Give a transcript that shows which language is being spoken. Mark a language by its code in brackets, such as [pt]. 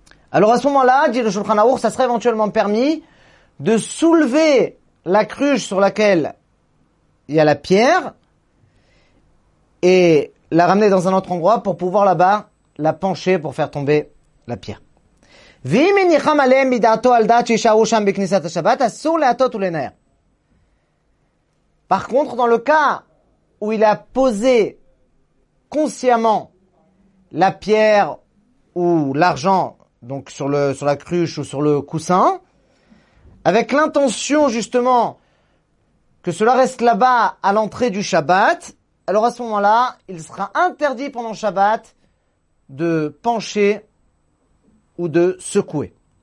[fr] Alors à ce moment-là, dit le Shulchan Aruch, ça serait éventuellement permis de soulever la cruche sur laquelle il y a la pierre et la ramener dans un autre endroit pour pouvoir là-bas la pencher pour faire tomber la pierre. [he] ואם היא ניחם עליהם מדעתו על דעת שישארו שם בכניסת השבת, אסור להטות ולנער. [fr] Par contre, dans le cas où il a posé consciemment la pierre ou l'argent, donc sur la cruche ou sur le coussin, avec l'intention justement que cela reste là-bas à l'entrée du Shabbat, alors à ce moment-là, il sera interdit pendant Shabbat de pencher ou de secouer.